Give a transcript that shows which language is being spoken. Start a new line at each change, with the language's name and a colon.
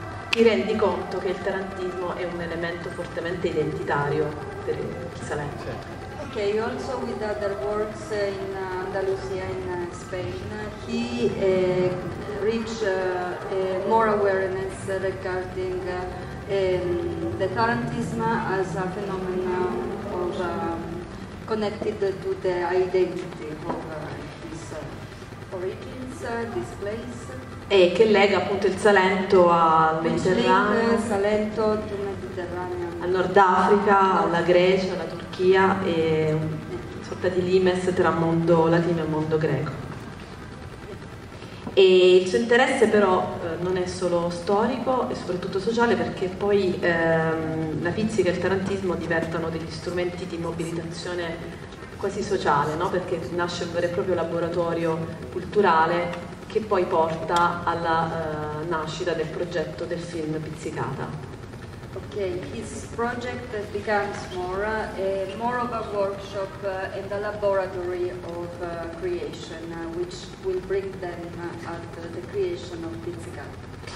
Italian: ti rendi conto che il tarantismo è un elemento fortemente identitario per Salento.
English: Ok, also with other works in Andalusia, in Spain, he reached more awareness regarding the tarantism as a phenomenon of connected to the identity of his origins, this place.
Italian: E che lega appunto il Salento al Mediterraneo, Salento al Mediterraneo, al Nord Africa, alla Grecia, alla Turchia, e una sorta di limes tra mondo latino e mondo greco. E il suo interesse però non è solo storico e soprattutto sociale, perché poi la pizzica e il tarantismo diventano degli strumenti di mobilitazione quasi sociale, no? Perché nasce un vero e proprio laboratorio culturale che poi porta alla nascita del progetto del film Pizzicata.
English: Ok, his project becomes more of a workshop and a laboratory of creation, which will bring them at the creation of Pizzicata.